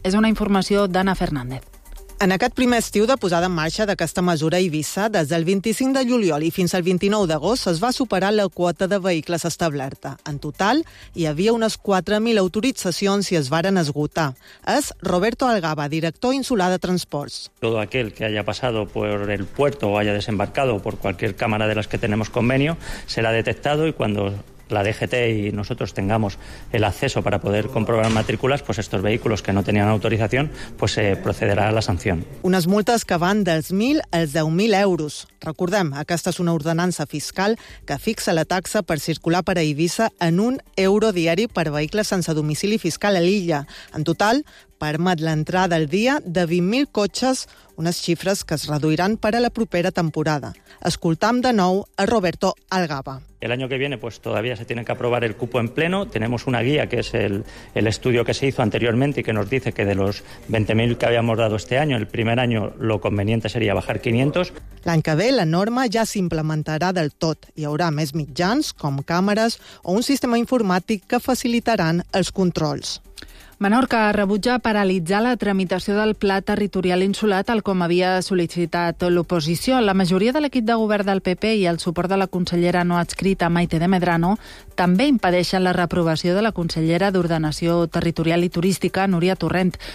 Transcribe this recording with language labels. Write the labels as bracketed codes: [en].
[ca] És una informació d'Anna Fernández. En aquest primer estiu de posada en marxa d'aquesta mesura a Eivissa, des del 25 de juliol i fins al 29 d'agost, es va superar la quota de vehicles establerta. En total, hi havia unes 4.000 autoritzacions i es varen esgotar. És Roberto Algaba, director insular de transports. [es] Todo aquel que haya pasado por el puerto o haya desembarcado por cualquier cámara de las que tenemos convenio, será detectado y cuando la DGT y nosotros tengamos el acceso para poder comprobar matrículas, pues estos vehículos que no tenían autorización, pues se procederá a la sanción. [ca] Unes multes que van dels 1.000 als 10.000 euros. Recordem, aquesta és una ordenança fiscal que fixa la taxa per circular per a Eivissa en 1 euro diari per vehicle sense domicili fiscal a l'illa. En total, permet l'entrada al dia de 20.000 cotxes, unes xifres que es reduiran per a la propera temporada. Escoltam de nou a Roberto Algaba. [es] El año que viene pues todavía se tiene que aprobar el cupo en pleno. Tenemos una guía que es el estudio que se hizo anteriormente y que nos dice que de los 20.000 que habíamos dado este año, el primer año lo conveniente sería bajar 500. [ca] L'any que ve la norma ja s'implementarà del tot. Hi haurà més mitjans, com càmeres o un sistema informàtic que facilitaran els controls. Menorca rebutja paralitzar la tramitació del Pla Territorial Insular tal com havia sol·licitat l'oposició. La majoria de l'equip de govern del PP i el suport de la consellera no adscrita Maite de Medrano també impedeixen la reprovació de la consellera d'Ordenació Territorial i Turística, Núria Torrent.